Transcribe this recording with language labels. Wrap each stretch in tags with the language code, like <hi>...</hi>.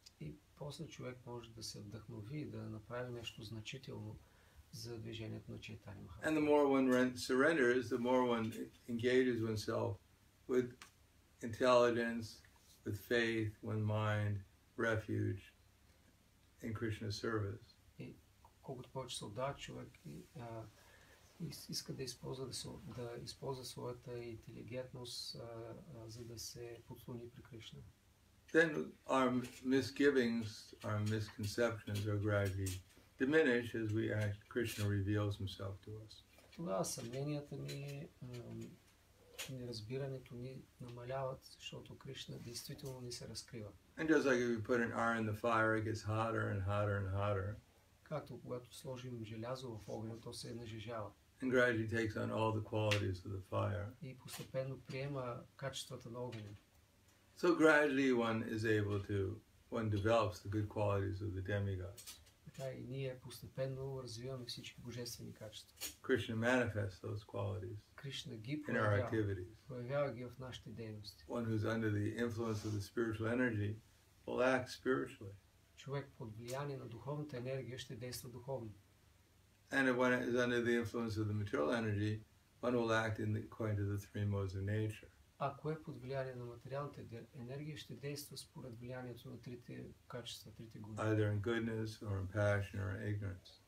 <bg>И после човек може да се вдъхнови и да направи нещо значително за движението на Чайтани Махапрабху.</bg> <en>And the more one surrenders, the more one engages oneself with intelligence, with faith, one mind, refuge in Krishna's service.</en> <bg>И колкото повече се отдава човек и иска да използва, да използва своята интелигентност, за да се подслони при Кришна.</bg> <en>Then our misgivings, our misconceptions are gradually diminish as we act, Krishna reveals himself to us.</en> <bg>Тогава съмненията ни, неразбирането ни намаляват, защото Кришна действително ни се разкрива.</bg> <en>And just like if you put an iron in the fire, it gets hotter and hotter and hotter.</en> <bg>Както когато сложим желязо в огън, то се нажежава.</bg> <en>And gradually takes on all the qualities of the fire.</en> <bg>И постепенно приема качествата на огъня.</bg> <en>So gradually one is able to, one develops the good qualities of the demigods.</en> <bg>И ние постепенно развиваме всички божествени качества.</bg> <en>Krishna manifests those qualities.</en> <bg>Кришна ги проявява ги в нашите дейности.</bg> <en>One who is under the influence of the spiritual energy will act spiritually.</en> <bg>Човек под влияние на духовната енергия ще действа духовно.</bg> <en>And if one is under the influence of the material energy, one will act in the, according to the three modes of nature.</en> <bg>Ако е под влияние на материалната енергия, ще действа според влиянието на трите качества, трите гуни.</bg> <en>Either in goodness, or in passion, or in ignorance.</en>